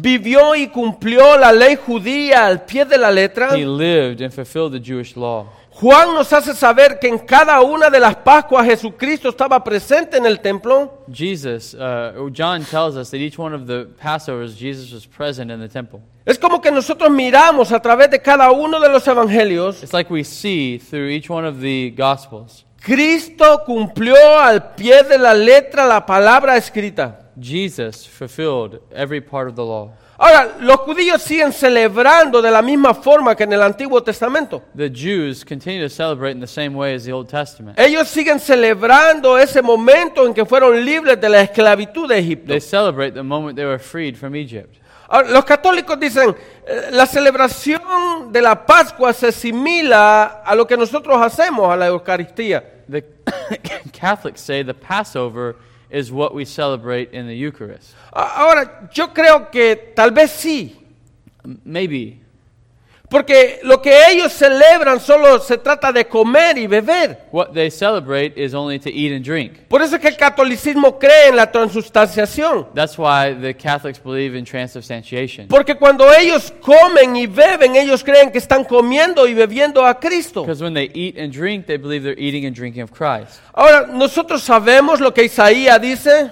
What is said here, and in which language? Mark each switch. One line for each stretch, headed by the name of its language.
Spanish: Vivió y cumplió la ley judía al pie de la letra.
English: He lived and fulfilled the Jewish law.
Spanish: Juan nos hace saber que en cada una de las Pascuas Jesucristo estaba presente en el templo.
English: John tells us that each one of the Passovers Jesus was present in the temple.
Spanish: Es como que nosotros miramos a través de cada uno de los evangelios.
English: It's like we see through each one of the gospels.
Spanish: Cristo cumplió al pie de la letra la palabra escrita.
English: Jesus fulfilled every part of the law.
Spanish: Ahora, los judíos siguen celebrando de la misma forma que en el Antiguo Testamento.
English: The Jews continue to celebrate in the same way as the Old Testament.
Spanish: Ellos siguen celebrando ese momento en que fueron libres de la esclavitud de Egipto.
English: They celebrate the moment they were freed from Egypt.
Spanish: Ahora, los católicos dicen, la celebración de la Pascua se asimila a lo que nosotros hacemos, a la Eucaristía.
English: The Catholics say the Passover is what we celebrate in the Eucharist.
Spanish: Ahora, yo creo que tal vez sí.
English: Maybe.
Spanish: Porque lo que ellos celebran solo se trata de comer y beber.
English: What they celebrate is only to eat and drink.
Spanish: Por eso es que el catolicismo cree en la transubstanciación.
English: That's why the Catholics believe in transubstantiation.
Spanish: Porque cuando ellos comen y beben, ellos creen que están comiendo y bebiendo a Cristo.
English: Because when they eat and drink, they believe they're eating and drinking of Christ.
Spanish: Ahora, nosotros sabemos lo que Isaías dice.